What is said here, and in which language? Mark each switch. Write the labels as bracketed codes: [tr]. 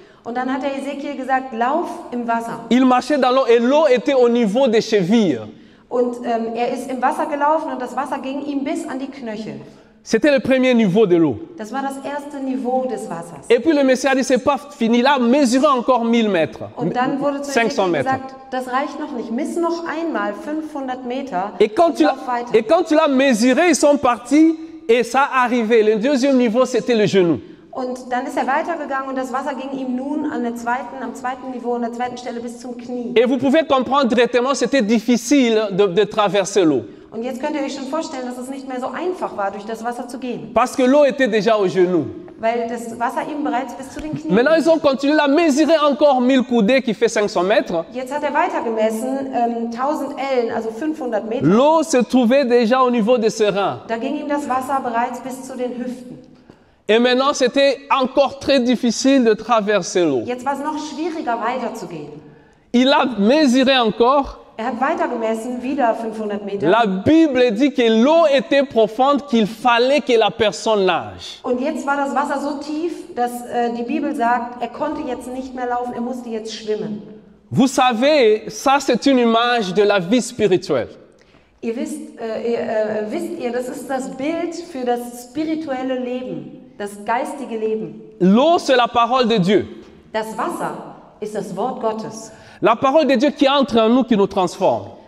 [de] Und dann hat der Ezekiel gesagt, lauf im Wasser. [fr] Il marchait dans l'eau et l'eau était au niveau des chevilles. [de] Und ist im Wasser gelaufen und das Wasser ging ihm bis an die Knöchel. [fr] C'était le premier niveau de l'eau. [de] Das war das erste Niveau des Wassers. [fr] Et puis le Messie a dit, c'est pas fini là, mesurez encore 1000 mètres. [de] Und dann wurde zu Ezekiel gesagt, das reicht noch nicht, miss noch einmal 500 Meter. [fr] Et quand tu l'as, mesuré, ils sont partis et ça arrivait. Le deuxième niveau, c'était le genou. [de] Und dann ist weitergegangen und das Wasser ging ihm nun an der zweiten, am zweiten Niveau, an der zweiten Stelle bis zum Knie. [fr] Et vous pouvez comprendre directement, c'était difficile de traverser l'eau. [de] Und jetzt könnt ihr euch schon vorstellen, dass es nicht mehr so einfach war, durch das Wasser zu gehen. [fr] Parce que l'eau était déjà au genou. [de] Weil das Wasser ihm bereits bis zu den Knien. [fr] Maintenant, ils ont continué à mesurer encore 1000 coudées qui fait 500 mètres. [de] Jetzt hat weiter gemessen, 1000 Ellen, also 500 Meter. [fr] L'eau se trouvait déjà au niveau des reins. [de] Da ging ihm das Wasser bereits bis zu den Hüften. [fr] Et maintenant, c'était encore très difficile de traverser l'eau. [de] Jetzt war es noch schwieriger weiterzugehen. [fr] Il a mesuré encore. [de] Er hat weiter gemessen, wieder 500 Meter. [fr] La Bible dit que l'eau était profonde qu'il fallait que la personne nage. [de] Und jetzt war das Wasser so tief, dass die Bibel sagt, er konnte jetzt nicht mehr laufen, er musste jetzt schwimmen. [fr] Vous savez, ça c'est une image de la vie spirituelle. [de] Ihr wisst, das ist das Bild für das spirituelle Leben. Das geistige Leben. [fr] L'eau, c'est la parole de Dieu. [de] Das Wasser ist das Wort Gottes. [fr] La parole de Dieu qui entre en nous, qui nous transforme.